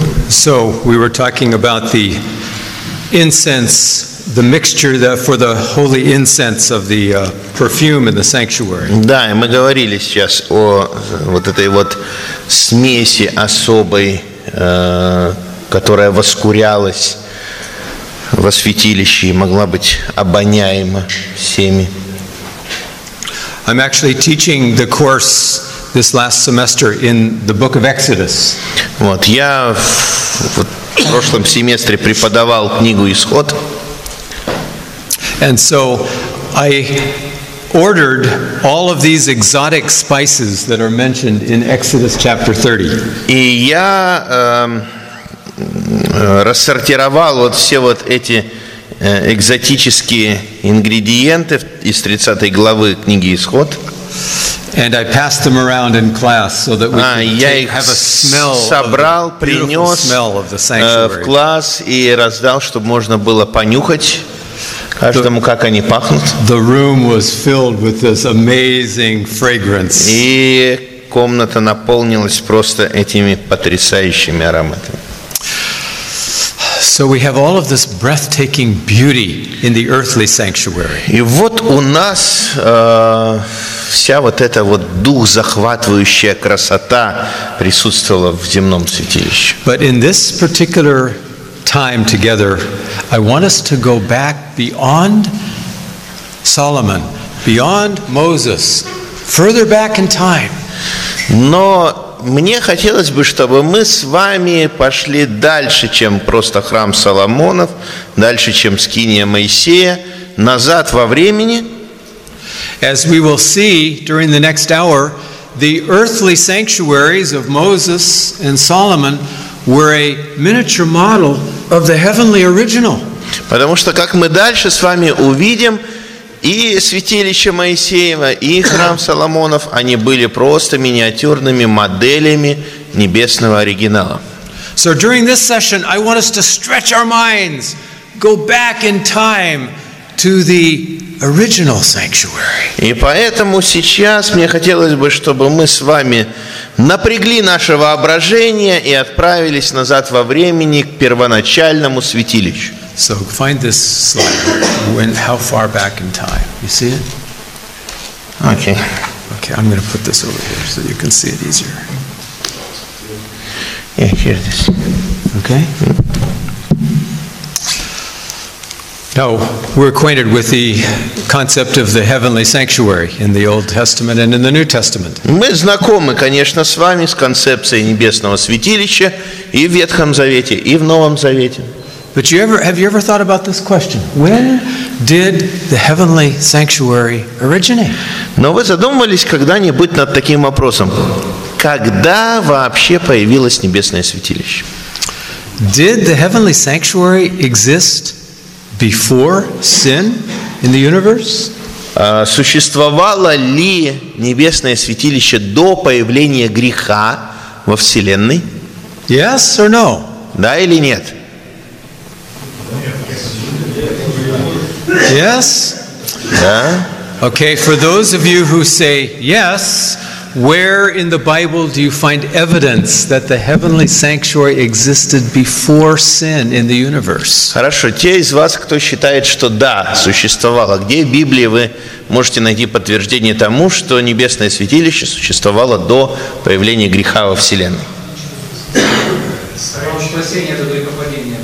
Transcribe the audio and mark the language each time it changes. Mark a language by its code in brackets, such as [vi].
[en] So we were talking about the incense, the mixture that for the holy incense of the perfume in the sanctuary. [ru] Да, мы говорили сейчас о вот этой вот смеси особой, которая воскурялась во святилище и могла быть обоняема всеми. [en] I'm actually teaching the course this last semester in the book of Exodus. [ru] Вот я в прошлом семестре преподавал книгу Исход. [en] And so I ordered all of these exotic spices that are mentioned in Exodus chapter 30. [ru] И я рассортировал вот все вот эти экзотические ингредиенты из 30 главы книги Исход. [en] And I passed them around in class so that we could have a smell. [ru] Собрал, [en] of the beautiful [ru] принес [en] smell of the sanctuary. [ru] В класс и раздал, чтобы можно было понюхать каждому, как они пахнут. [en] The room was filled with this amazing fragrance. [ru] И комната наполнилась просто этими потрясающими ароматами. [en] So we have all of this breathtaking beauty in the earthly sanctuary. [ru] И вот у нас вся вот эта вот дух захватывающая красота присутствовала в земном святилище. [en] But in this particular time together, I want us to go back beyond Solomon, beyond Moses, further back in time. [ru] Но мне хотелось бы, чтобы мы с вами пошли дальше, чем просто храм Соломонов, дальше, чем скиния Моисея, назад во времени. [en] As we will see during the next hour, the earthly sanctuaries of Moses and Solomon were a miniature model of the heavenly original. [ru] Потому что, как мы дальше с вами увидим, И святилище Моисеева, и храм Соломонов, они были просто миниатюрными моделями небесного оригинала. [en] So during this session, I want us to stretch our minds, go back in time to the original sanctuary. [ru] И поэтому сейчас мне хотелось бы, чтобы мы с вами напрягли наше воображение и отправились назад во времени к первоначальному святилищу. [en] So find this slide. When, how far back in time? You see it? Okay. Okay, I'm going to put this over here so you can see it easier. Yeah, here it is. Okay. Now, we're acquainted with the concept of the heavenly sanctuary in the Old Testament and in the New Testament. [ru] Мы знакомы, конечно, с вами с концепцией небесного святилища и в Ветхом Завете, и в Новом Завете. [en] But you ever have you ever thought about this question? When did the heavenly sanctuary originate? [ru] Но вы задумывались когда-нибудь над таким вопросом? Когда вообще появилось небесное святилище? [en] Did the heavenly sanctuary exist before sin in the universe? [ru] Существовало ли небесное святилище до появления греха во Вселенной? [en] Yes or no? [ru] Да или нет? [en] Yes? [ru] Да. [en] Okay, for those of you who say yes, where in the Bible do you find evidence that the heavenly sanctuary existed before sin in the universe? [ru] Хорошо, те из вас, кто считает, что да, существовало, где в Библии вы можете найти подтверждение тому, что небесное святилище существовало до появления греха во Вселенной? Само спасение — это только падение.